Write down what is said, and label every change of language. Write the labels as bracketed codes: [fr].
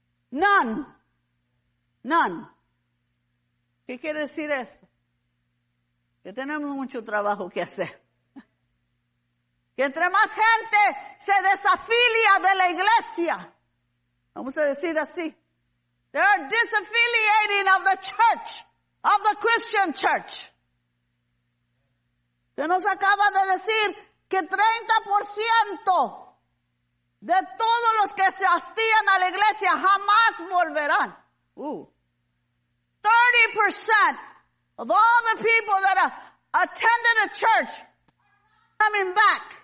[en] None. None. [es] ¿Qué quiere decir eso? Que tenemos mucho trabajo que hacer. Que entre más gente se desafilia de la iglesia. Vamos a decir así. [en] They are disaffiliating of the church, of the Christian church. [es] Se nos acaba de decir que 30% de todos los que se hastían a la iglesia jamás volverán. [en] 30% of all the people that attended a church are coming back.